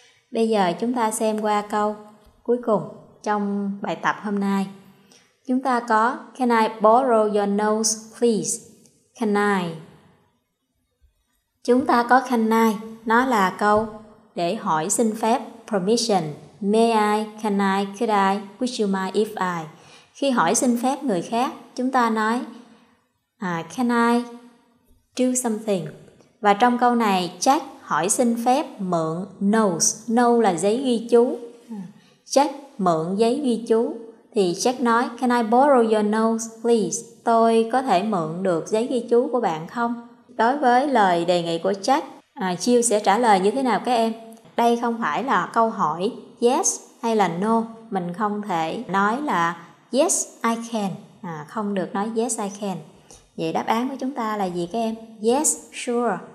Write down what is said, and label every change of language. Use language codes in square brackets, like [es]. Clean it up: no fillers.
[vi] Bây giờ chúng ta xem qua câu cuối cùng trong bài tập hôm nay. Chúng ta có [en] Can I borrow your nose, please? [vi] Can I? Chúng ta có can I. Nó là câu để hỏi xin phép, permission. [en] May I, can I, could I, would you mind if I? [vi] Khi hỏi xin phép người khác, chúng ta nói [en] Can I do something? [vi] Và trong câu này, Jack hỏi xin phép mượn nose. Nose là giấy ghi chú. Jack mượn giấy ghi chú. Thì Jack nói, [en] can I borrow your nose, please? [vi] Tôi có thể mượn được giấy ghi chú của bạn không? Đối với lời đề nghị của Jack, Jill sẽ trả lời như thế nào các em? Đây không phải là câu hỏi yes hay là no. Mình không thể nói là [en] yes, I can. [vi] Không được nói [en] yes, I can. [vi] Vậy đáp án của chúng ta là gì các em? [en] Yes, sure.